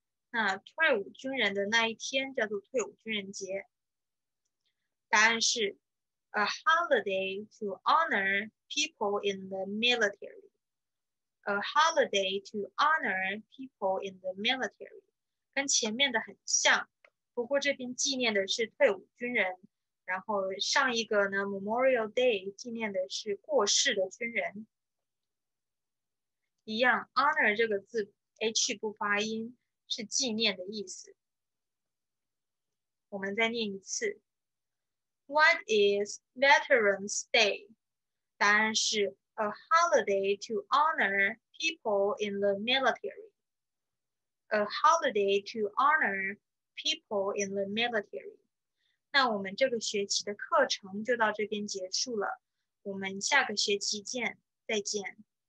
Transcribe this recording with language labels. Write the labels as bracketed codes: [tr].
[zh] 那退伍军人的那一天叫做退伍军人节。答案是 [en] A holiday to honor people in the military. A holiday to honor people in the military. [zh] 跟前面的很像，不过这边纪念的是退伍军人，然后上一个呢 Memorial Day 纪念的是过世的军人。一样 honor 这个字 H 不发音。是纪念的意思。我们再念一次 [en] What is Veterans Day? [zh] 答案是 [en] A holiday to honor people in the military. A holiday to honor people in the military. [zh] 那我们这个学期的课程就到这边结束了。我们下个学期见，再见。